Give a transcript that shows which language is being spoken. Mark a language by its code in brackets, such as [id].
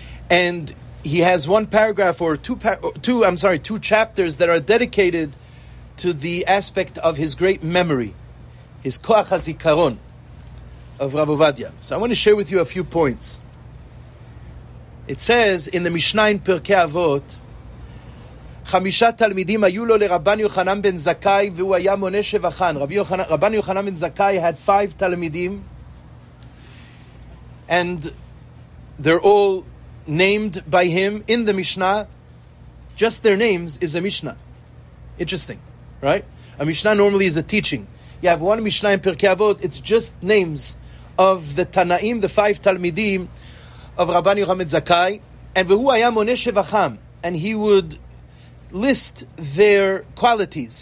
[en] And he has one paragraph, or two chapters that are dedicated to the aspect of his great memory, his Koach HaZikaron of Rav Ovadia. So I want to share with you a few points. It says in the Mishnah in Pirkei Avot, [he] חמישה תלמידים היו לו לרבן יוחנן בן זכאי והוא היה מונה שבחן. [en] רבן יוחנן בן זכאי had 5 תלמידים, and they're all named by him in the Mishnah. Just their names is a Mishnah. Interesting, right? A Mishnah normally is a teaching. You have one Mishnah in Pirkei Avot, it's just names of the Tanaim, the 5 תלמידים of רבן יוחנן בן זכאי, and [he] והוא היה מונה שבחן, [en] and he would list their qualities.